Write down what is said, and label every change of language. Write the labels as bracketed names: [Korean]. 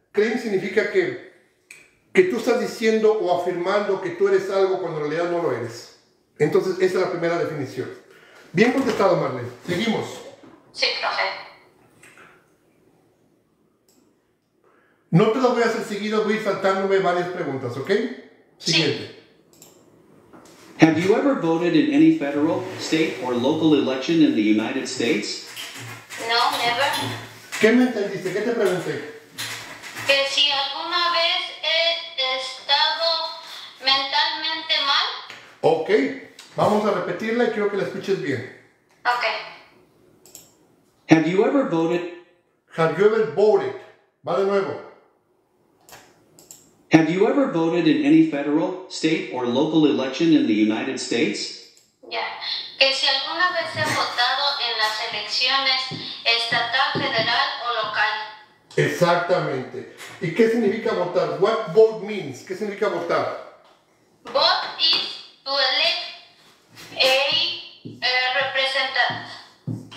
[Spanish] Claim significa que tú estás diciendo o afirmando que tú eres algo cuando en realidad no lo eres. Entonces, esa es la primera definición. Bien contestado, Marlene. Seguimos. Sí, profe. No te lo voy a hacer seguido, voy a ir saltándome varias preguntas, ¿ok? Siguiente. Sí. [English] Have you ever voted in any federal, state, or local election in the United States? No, never. [Spanish] ¿Qué me entendiste? ¿Qué te pregunté? Que si alguna vez he estado mentalmente mal. Ok, vamos a repetirla y quiero que la escuches bien. Ok. [English] Have you ever voted? Have you ever voted? [Spanish] Va de nuevo. [English] Have you ever voted in any federal, state, or local election in the United States? Yeah. [Spanish] ¿Que si alguna vez he votado en las elecciones estatal, federal o local? Exactamente. ¿Y qué significa votar? [English] What vote means? [Spanish] ¿Qué significa votar? [English] Vote is to elect a representative.